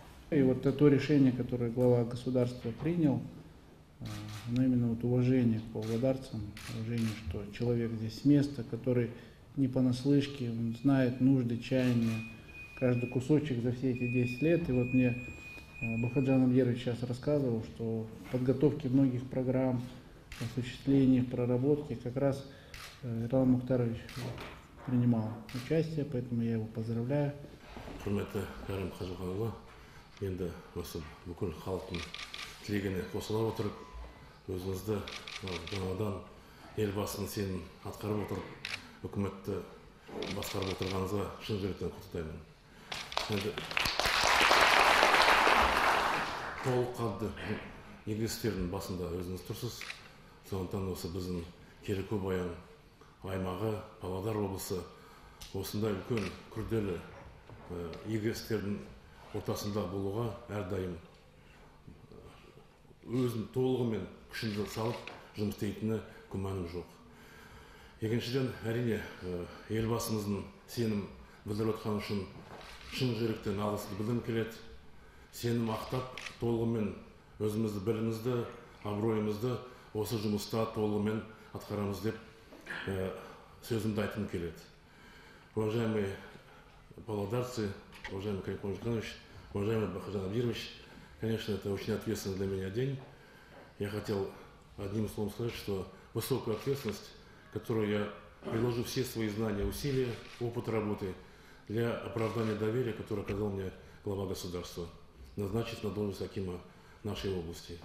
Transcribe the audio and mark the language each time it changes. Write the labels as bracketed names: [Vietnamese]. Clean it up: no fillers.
[Russian] И вот то решение, которое глава государства принял, оно именно вот уважение к павлодарцам, уважение, что человек здесь место, который не понаслышке, он знает нужды, чаяния, каждый кусочек за все эти 10 лет. И вот мне Бахаджан Абьерович сейчас рассказывал, что в подготовке многих программ, осуществлении, проработке как раз Ирлан Мухтарович принимал участие, поэтому я его поздравляю. [Kazakh] Құрметті Кәрім Қажықанұлы, енді осы бүкіл халықтың тілегіне қосыла отырып, өзіңізді жаңадан елбасының сенім атқарып отырып, үкіметті басқарып отырғаныңызға шын жүректен құттықтаймын. Енді толыққанды игі істердің басында өзіңіз тұрсыз. Сондықтан осы біздің Керікубаян аймағы, Павлодар облысы осындай үлкен күрделі игі істердің ортасында болуға әрдайым өзім толығымен күшімді салып жұмыс істейтіні күмәнім жоқ. Екіншіден, әрине, елбасымыздың сенім білдіріп отқаны үшін шын жүректен алғысымды білдіргім келеді. Сенім ақтап толығымен өзімізді, білімімізді, абыройымызды осы жұмыста толығымен атқарамыз деп сөзімді айтқым келеді. [Russian] Уважаемый павлодарцы, уважаемый Кәрім Қажықанович, уважаемый Бахаджан Абьерович, конечно, это очень ответственный для меня день. Я хотел одним словом сказать, что высокая ответственность, которую я приложу все свои знания, усилия, опыт работы для оправдания доверия, которое оказал мне глава государства, назначить на должность акима нашей области.